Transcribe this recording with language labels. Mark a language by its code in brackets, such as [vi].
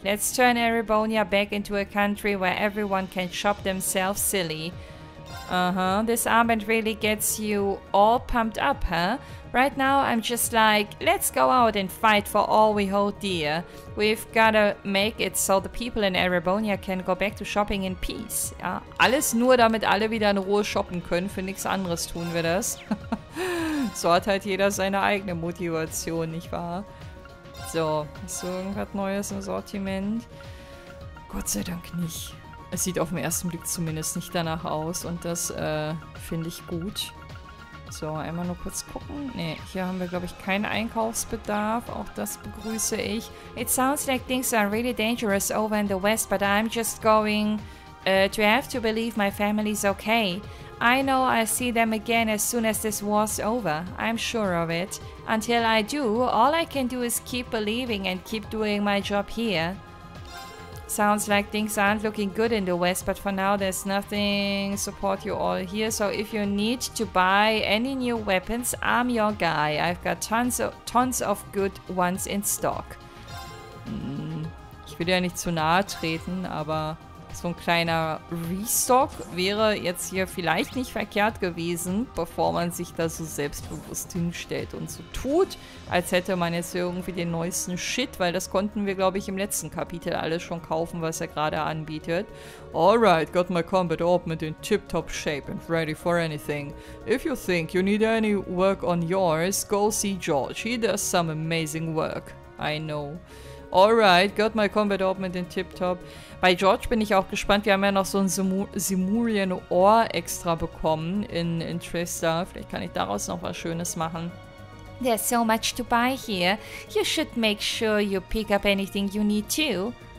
[en] Let's turn Erebonia back into a country where everyone can shop themselves silly. Uh-huh, this armband really gets you all pumped up, huh? Right now I'm just like, let's go out and fight for all we hold dear. We've gotta make it so the people in Erebonia can go back to shopping in peace. [de] Ja, alles nur damit alle wieder in Ruhe shoppen können, für nichts anderes tun wir das. So hat halt jeder seine eigene Motivation, nicht wahr? So, hast du irgendwas Neues im Sortiment? Gott sei Dank nicht. Es sieht auf den ersten Blick zumindest nicht danach aus und das finde ich gut. So, einmal nur kurz gucken. Ne, hier haben wir, glaube ich, keinen Einkaufsbedarf. Auch das begrüße ich. [en] It sounds like things are really dangerous over in the West, but I'm just going to have to believe my family's okay. I know I'll see them again as soon as this war's over. I'm sure of it. Until I do, all I can do is keep believing and keep doing my job here. Sounds like things aren't looking good in the West, but for now there's nothing support you all here. So if you need to buy any new weapons, I'm your guy. I've got tons of good ones in stock. [de] Ich will ja nicht zu nahe treten, aber so ein kleiner Restock wäre jetzt hier vielleicht nicht verkehrt gewesen, bevor man sich da so selbstbewusst hinstellt und so tut, als hätte man jetzt irgendwie den neuesten Shit, weil das konnten wir, glaube ich, im letzten Kapitel alles schon kaufen, was er gerade anbietet. [en] Alright, got my combat armor in tip-top shape and ready for anything. If you think you need any work on yours, go see George. He does some amazing work. I know. Alright, got my combat armor in tip-top. [de] Bei George bin ich auch gespannt. Wir haben ja noch so ein Simurien-Ohr extra bekommen in Trista. Vielleicht kann ich daraus noch was Schönes machen. [en] There's so much to buy here. You should make sure you pick up anything you need too.